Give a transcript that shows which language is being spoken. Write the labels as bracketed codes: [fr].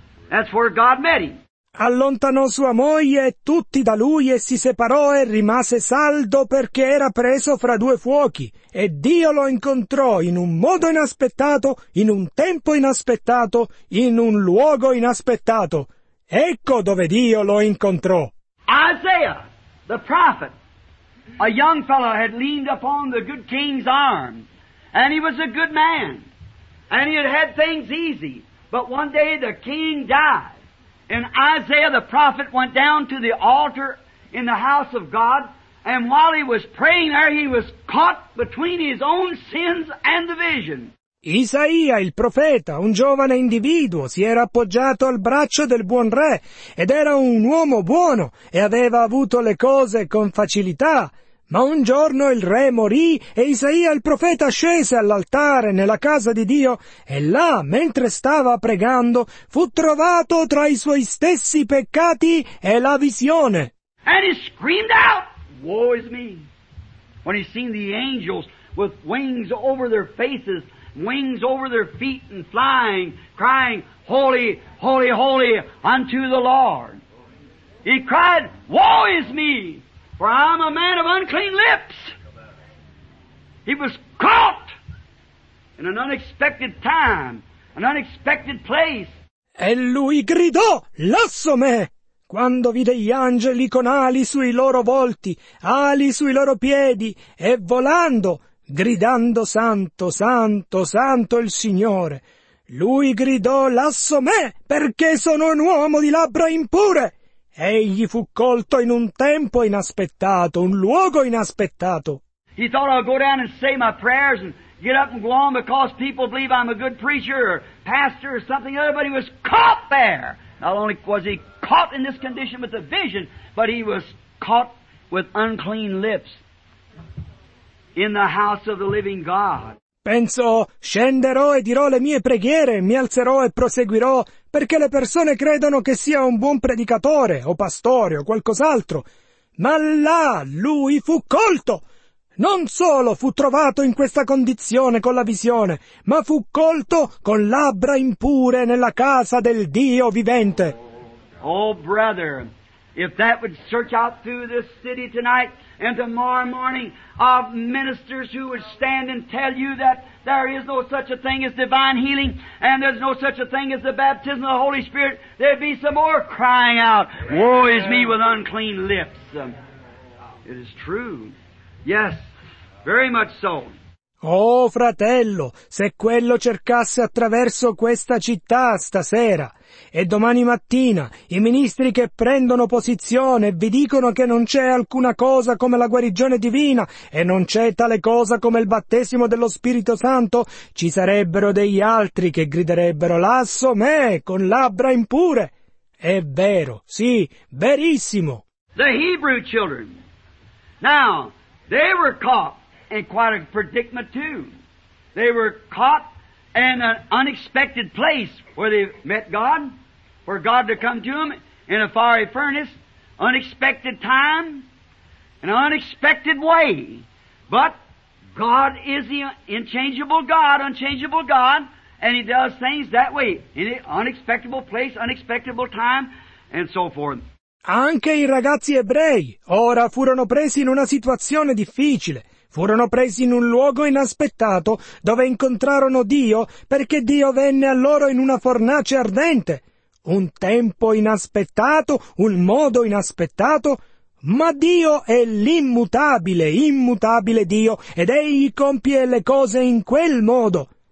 [en] That's where God met him. [it] Allontanò sua moglie e tutti da lui e si separò e rimase saldo perché era preso fra due fuochi. E Dio lo incontrò in un modo inaspettato, in un tempo inaspettato, in un luogo inaspettato. Ecco dove Dio lo incontrò. [en] Isaiah, the prophet, a young fellow had leaned upon the good king's arm. And he was a good man, and he had had things easy. But one day the king died, and Isaiah the prophet went down to the altar in the house of God, and while he was praying there, he was caught between his own sins and the vision. [it] Isaia, il profeta, un giovane individuo, si era appoggiato al braccio del buon re, ed era un uomo buono, e aveva avuto le cose con facilità. Ma un giorno il re morì e Isaia il profeta scese all'altare nella casa di Dio e là, mentre stava pregando, fu trovato tra i suoi stessi peccati e la visione. [en] And he screamed out, "Woe is me!" When he seen the angels with wings over their faces, wings over their feet and flying, crying, "Holy, holy, holy unto the Lord." He cried, "Woe is me! For I'm a man of unclean lips." He was caught in an unexpected time, an unexpected place. [it] E lui gridò, "Lasso me!" Quando vide gli angeli con ali sui loro volti, ali sui loro piedi, e volando, gridando, "Santo, santo, santo il Signore!" Lui gridò, "Lasso me, perché sono un uomo di labbra impure!" Egli fu colto in un tempo inaspettato, un luogo inaspettato. [en] He thought, "I'll go down and say my prayers and get up and go on because people believe I'm a good preacher or pastor or something other, but he was caught there. Not only was he caught in this condition with the vision, but he was caught with unclean lips in the house of the living God. [it] Penso, scenderò e dirò le mie preghiere, mi alzerò e proseguirò, perché le persone credono che sia un buon predicatore, o pastore, o qualcos'altro. Ma là, lui fu colto! Non solo fu trovato in questa condizione con la visione, ma fu colto con labbra impure nella casa del Dio vivente. [en] Oh, brother, if that would search out through this city tonight and tomorrow morning of ministers who would stand and tell you that there is no such a thing as divine healing and there's no such a thing as the baptism of the Holy Spirit, there'd be some more crying out, woe is me with unclean lips. It is true. Yes, very much so. [it] Oh, fratello, se quello cercasse attraverso questa città stasera e domani mattina i ministri che prendono posizione vi dicono che non c'è alcuna cosa come la guarigione divina e non c'è tale cosa come il battesimo dello Spirito Santo, ci sarebbero degli altri che griderebbero lasso me con labbra impure. È vero, sì, verissimo. [en] The Hebrew children. Now, they were caught in quite a predicament too. They were caught in an unexpected place where they met God, for God to come to them in a fiery furnace, unexpected time, an unexpected way. But God is the unchangeable God, and He does things that way, in an unexpected place, unexpected time, and so forth. [it] Anche i ragazzi ebrei ora furono presi in una situazione difficile. Furono presi in un luogo inaspettato dove incontrarono Dio perché Dio venne a loro in una fornace ardente. Un tempo inaspettato, un modo inaspettato, ma Dio è l'immutabile, immutabile Dio ed Egli compie le cose in quel modo.